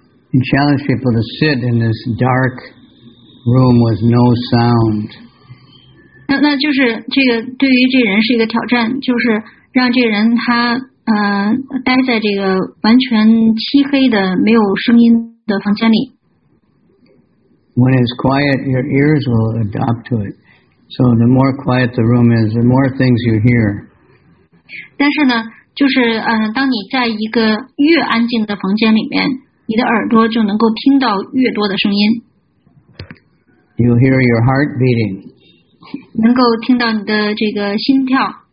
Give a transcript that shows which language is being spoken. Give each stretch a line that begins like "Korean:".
English: You challenge people to sit in this dark room with no sound.
Chinese: 那就是这个对于这人是一个挑战，就是让这人他待在这个完全漆黑的没有声音的房间里。
English: when it's quiet, your ears will adapt to it. So the more quiet the room is, the more things you hear.
Chinese: 但是呢，就是当你在一个越安静的房间里面，你的耳朵就能够听到越多的声音。
English: You hear your heart beating.
Chinese: 能够听到你的这个心跳。